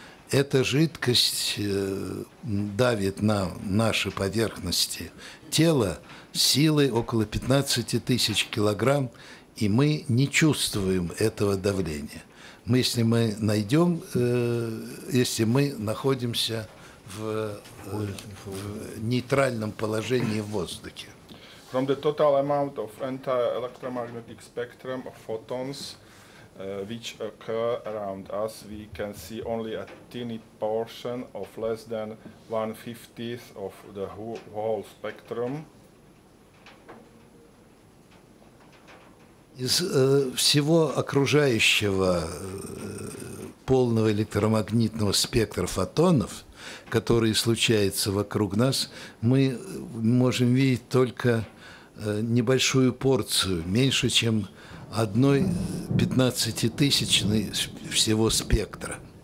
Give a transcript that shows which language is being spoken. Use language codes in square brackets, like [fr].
[ru] Эта жидкость давит на наши поверхности тела силой около 15 тысяч килограмм, и мы не чувствуем этого давления. Мы, если мы найдем, если мы находимся в нейтральном положении в воздухе. [en] From the total amount of entire electromagnetic spectrum of photons, which occur around us, we can see only a tiny portion of less than 1/50th of the whole spectrum. [ru] Из всего окружающего полного электромагнитного спектра фотонов, которые случаются вокруг нас, мы можем видеть только небольшую порцию, меньше чем 1/15 всего спектра.